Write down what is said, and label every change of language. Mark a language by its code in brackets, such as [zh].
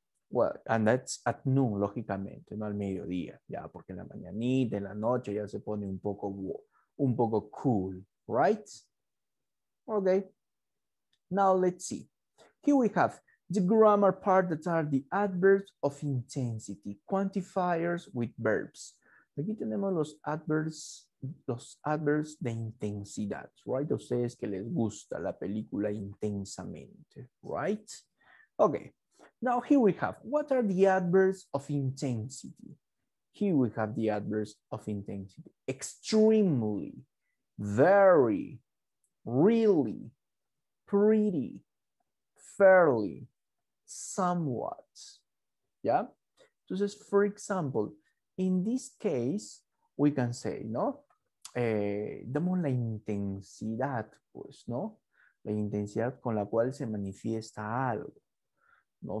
[en] Well, and that's at noon, lógicamente, [es] no al mediodía, [en] ya, yeah? [es] Porque en la mañanita, en la noche, ya se pone un poco cool, right? [en] Okay, now let's see. Here we have the grammar part that are the adverbs of intensity, quantifiers with verbs. [es] Aquí tenemos los adverbs de intensidad, right? Ustedes que les gusta la película intensamente, right? [en] Okay, now here we have, what are the adverbs of intensity? Here we have the adverbs of intensity. Extremely, very, really, pretty, fairly, somewhat, yeah? Entonces, for example, in this case, we can say, no? [es] Damos la intensidad, pues, ¿no? La intensidad con la cual se manifiesta algo, ¿no?